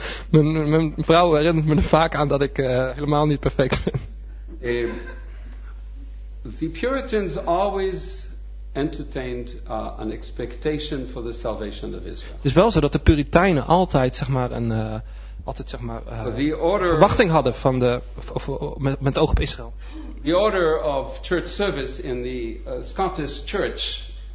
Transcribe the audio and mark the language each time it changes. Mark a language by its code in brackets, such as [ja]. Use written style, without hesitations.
[nl] Mijn vrouw herinnert me er vaak aan dat ik helemaal niet perfect ben. [en] The Puritans always entertained an expectation for the salvation of Israel. [nl] Het is wel zo dat de Puritijnen altijd zeg maar een altijd zeg maar verwachting hadden van de met oog op Israël. [en] The order of church service in the Scottish church.